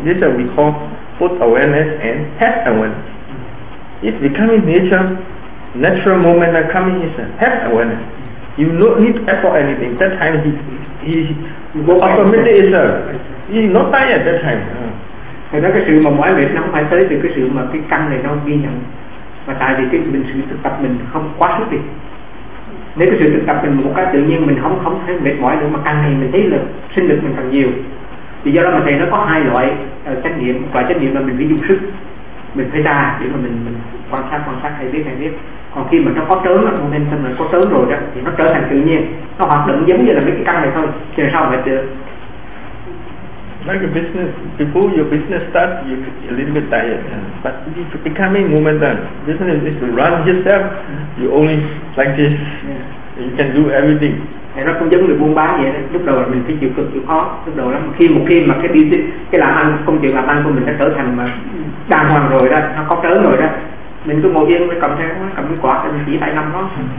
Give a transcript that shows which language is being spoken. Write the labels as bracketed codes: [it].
[en] This is what we call put awareness and have awareness. If becoming nature, natural momentum coming is a have awareness. You don't need to effort anything. That time he automatic is a he's not tired that time. [vi] Thì đó cái sự mà mỏi mệt nó không phải tới từ cái sự mà cái căn này nó ghi nhận. Mà tại vì cái mình sự thực tập mình không quá sức đi. Nếu cái sự thực tập mình một cách tự nhiên mình không thấy mệt mỏi nữa mà căn này mình thấy là sinh lực mình càng nhiều. Thì do đó mà thầy nó có hai loại trách nhiệm. Một loại trách nhiệm là mình phải dùng sức. Mình phải ra để mà mình quan sát hay biết. Còn khi mà nó có trớn, nó nên xem là có trớn rồi đó. Thì nó trở thành tự nhiên. Nó hoạt động giống như là mấy cái căn này thôi. Thì sao mà được. [en] Like a business, before your business starts, you're a little bit tired. Yeah. But if you becoming momentum, business is to run yourself, you only like this. Yeah. You can do everything. [vi] Thì nó cũng giống người buôn bán vậy. Lúc đầu mình phải chịu cực, chịu khó. Lúc đầu lắm. Khi mà cái business, cái làm ăn, công chuyện làm ăn của mình đã trở thành mà đàng hoàng rồi đó, nó có trớn rồi đó. Mình cứ ngồi yên, cầm cái quạt, mình chỉ tay năm đó.